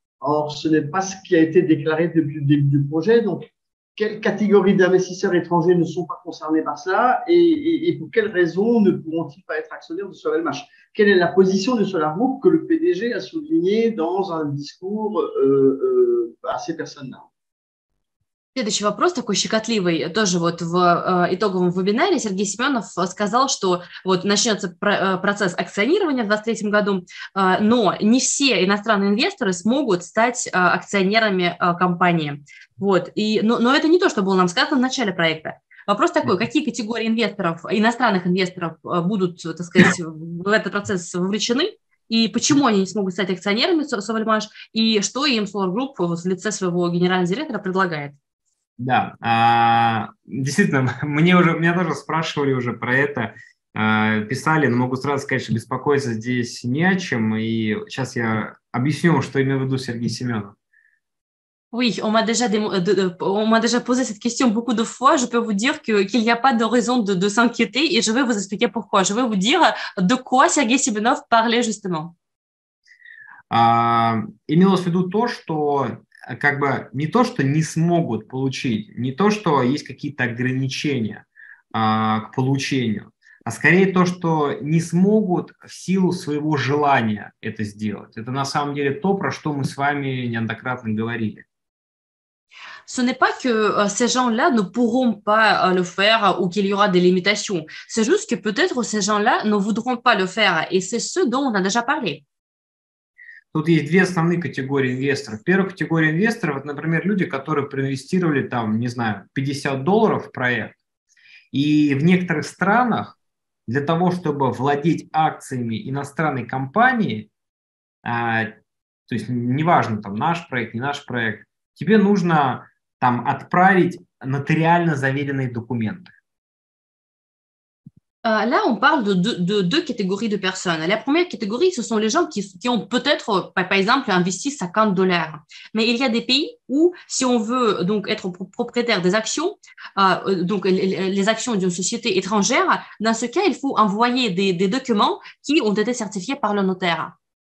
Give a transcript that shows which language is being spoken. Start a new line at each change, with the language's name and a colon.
French: Or, ce n'est pas ce qui a été déclaré depuis le début du projet. Donc, quelles catégories d'investisseurs étrangers ne sont pas concernées par cela et pour quelles raisons ne pourront-ils pas être actionnaires de Solarmash? Quelle est la position de Solargroup que le PDG a souligné dans un discours à ces personnes-là?
Russian: Следующий вопрос, такой щекотливый, тоже вот в итоговом вебинаре Сергей Семенов сказал, что вот начнется процесс акционирования в 2023 году, но не все иностранные инвесторы смогут стать акционерами компании. Вот, но это не то, что было нам сказано в начале проекта. Вопрос такой, какие категории инвесторов, иностранных инвесторов будут, так сказать, в этот процесс вовлечены? И почему они не смогут стать акционерами Совермаш? И что им Solargroup в лице своего генерального директора предлагает? Да, действительно, меня тоже спрашивали уже про это, писали, но могу сразу сказать, что беспокоиться здесь не о чем, и сейчас я объясню, что имею в виду Сергей Семенов.
French: Oui, on m'a déjà posé cette question beaucoup de fois. Je peux vous dire qu'il n'y a pas de raison de s'inquiéter et je vais vous expliquer pourquoi. Je vais vous dire de quoi Сергей Семенов parlait justement.
Russian: Имелось в виду то, что как бы не то, что не смогут получить, не то, что есть какие-то ограничения к получению, а скорее то, что не смогут в силу своего желания это сделать. Это на самом деле то, про что мы с вами неоднократно говорили.
French: Ce n'est pas que ces gens-là ne pourront pas le faire ou qu'il y aura des limitations. C'est juste que peut-être ces gens-là ne voudront pas le faire. Et c'est ce dont on a déjà parlé.
Russian: Тут есть две основные категории инвесторов. Первая категория инвесторов, это, например, люди, которые проинвестировали там, не знаю, $50 в проект. И в некоторых странах для того, чтобы владеть акциями иностранной компании, то есть неважно, там наш проект, не наш проект, тебе нужно там отправить нотариально заверенные документы.
French: Là, on parle de deux catégories de personnes. La première catégorie, ce sont les gens qui ont peut-être, par exemple, investi $50. Mais il y a des pays où, si on veut donc être propriétaire des actions, donc les actions d'une société étrangère, dans ce cas, il faut envoyer des documents qui ont été certifiés par le notaire.